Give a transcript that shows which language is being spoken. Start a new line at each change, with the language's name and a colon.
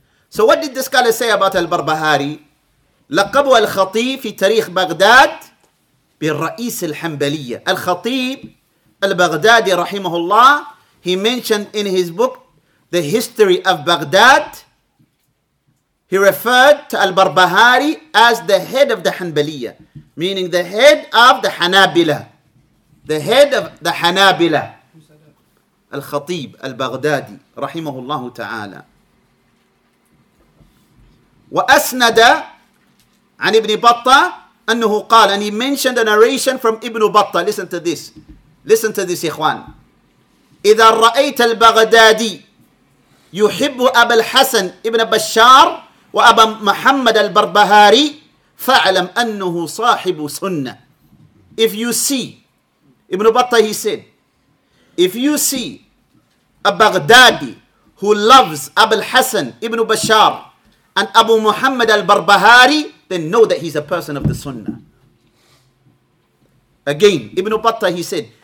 English: So what did the scholar say about Al-Barbahari?
Arabic: لقب الخطيب في تاريخ بغداد بالرئيس الحنبلية.
English: الخطيب Al-Baghdadi rahimahullah, he mentioned in his book, The History of Baghdad, he referred to Al-Barbahari as the head of the Hanbaliyyah, meaning the head of the Hanabila. The head of the Hanabila. Al-Khatib Al-Baghdadi rahimahullah ta'ala.
Arabic: Wa asnada an Ibn Battah annahu qala,
English: and he mentioned a narration from Ibn Battah. Listen to this. Listen to this, Ikhwan.
Arabic: إذا رأيت البغدادي يحب أبا الحسن ابن بشار وأبا محمد البربهاري فاعلم أنه صاحب سنة.
English: If you see, Ibn Battah, he said, if you see a Baghdadi who loves Abu al-Hasan ibn Bashar and Abu Muhammad al-Barbahari, then know that he's a person of the Sunnah. Again, Ibn Battah, he said,